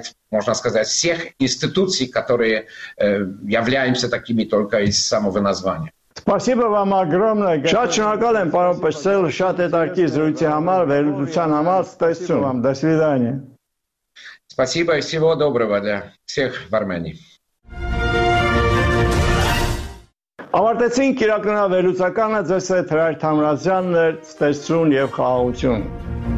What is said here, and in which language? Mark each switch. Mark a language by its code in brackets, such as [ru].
[ru] Можно сказать, всех институций, которые являемся такими только из самого названия. Спасибо вам огромное. [hy] Շատ շնորհակալ եմ, պարոն Պշտել, շատ հետաքրքիր զրույցի համար, վերլուծության համար, տեսնում եմ, [ru] до свидания. Спасибо и всего доброго для всех в Армении. [hy] Ավարտեցին կիրակնա վերլուծականը, ձեզ հետ Հրանտ Համրազյանն էր, տեսնում եւ խաղաղություն։